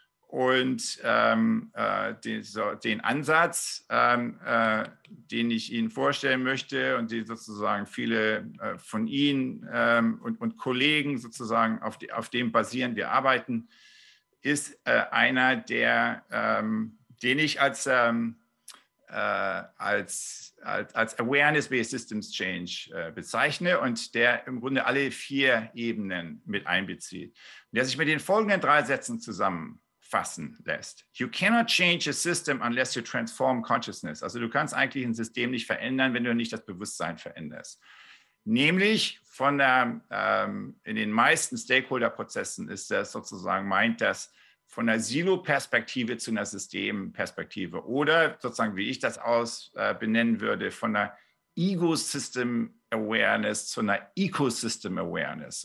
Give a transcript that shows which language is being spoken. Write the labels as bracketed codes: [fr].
[de] Und den Ansatz, den ich Ihnen vorstellen möchte und den sozusagen viele von Ihnen und Kollegen sozusagen auf dem basieren wir arbeiten, ist einer, der, den ich als Awareness-Based Systems Change bezeichne und der im Grunde alle vier Ebenen mit einbezieht. Und der sich mit den folgenden drei Sätzen zusammenfassen lässt. [en] You cannot change a system unless you transform consciousness. [de] Also du kannst eigentlich ein System nicht verändern, wenn du nicht das Bewusstsein veränderst. Nämlich von der, in den meisten Stakeholder-Prozessen ist das sozusagen, meint das von der Silo-Perspektive zu einer System-Perspektive oder sozusagen, wie ich das benennen würde, von der Ego-System-Awareness zu einer Ecosystem-Awareness.